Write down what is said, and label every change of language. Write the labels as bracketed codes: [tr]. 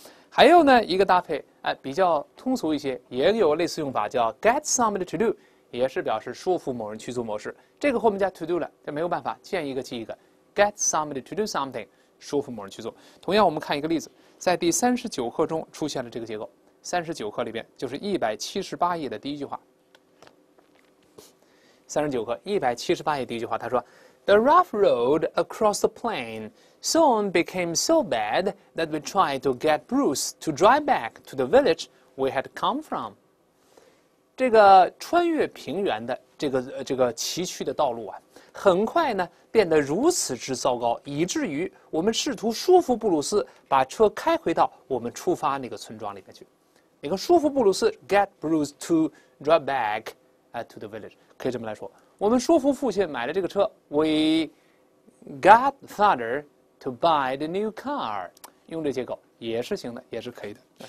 [zh] 还有呢，一个搭配，比较通俗一些，也有类似用法，叫 [en] get somebody to do， [zh] 也是表示说服某人去做某事。这个后面加 to do 了，这没有办法，见一个记一个。 [en] Get somebody to do something， [zh] 说服某人去做。同样，我们看一个例子，在第39课中出现了这个结构。 39课里边就是178页的第一句话。 39课178页第一句话，他说 [en] ：“The rough road across the plain soon became so bad that we tried to get Bruce to drive back to the village we had come from。” [zh] 这个穿越平原的这个崎岖的道路啊，很快呢变得如此之糟糕，以至于我们试图说服布鲁斯把车开回到我们出发那个村庄里面去。你看，说服布鲁斯 [en] get Bruce to drive back to the village， [zh] 可以这么来说，我们说服父亲买了这个车 ， [en] we got father to buy the new car， [zh] 用这结构也是行的，也是可以的。